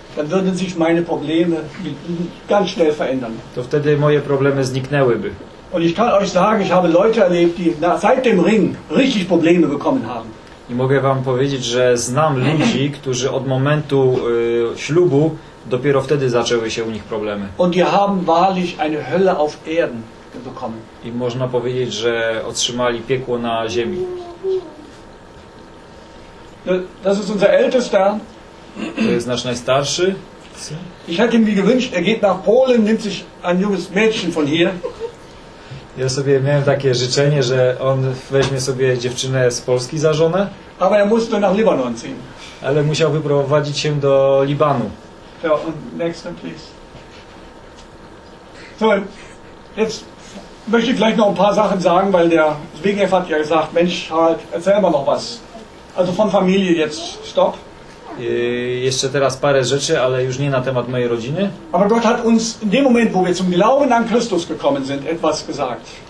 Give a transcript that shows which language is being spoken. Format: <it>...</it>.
<de>dann würden sich meine Probleme ganz schnell verändern.</de> <pl>To wtedy moje problemy zniknęłyby.</pl> <de>Und ich kann euch sagen, ich habe Leute erlebt, die seit dem Ring richtig Probleme bekommen haben.</de> <pl>I mogę wam powiedzieć, że znam ludzi, którzy od momentu ślubu dopiero wtedy zaczęły się u nich problemy.</pl> <de>Und die haben wahrlich eine Hölle auf Erden.</de> <pl>I można powiedzieć, że otrzymali piekło na ziemi.</pl> <de>Das ist unser ältester.</de> <pl>To jest nasz najstarszy.</pl> <de>Ich hätte mir gewünscht, er geht nach Polen, nimmt sich ein junges Mädchen von hier.</de> <pl>Ja sobie miałem takie życzenie, że on weźmie sobie dziewczynę z Polski za żonę.</pl> <de>Aber er musste nach Libanon ziehen.</de> <pl>Ale musiał wyprowadzić się do Libanu.</pl> <de>So, und</de> <en>next, please.</en> <de>So, jetzt möchte ich gleich noch ein paar Sachen sagen, weil der Zbigniew hat ja gesagt, Mensch, halt, erzähl mal noch was. Also von Familie jetzt, stopp.</de> <pl>Jeszcze teraz parę rzeczy, ale już nie na temat mojej rodziny.</pl> <de>Aber Gott hat uns in dem Moment, wo wir zum Glauben an Christus gekommen sind, etwas gesagt.</de>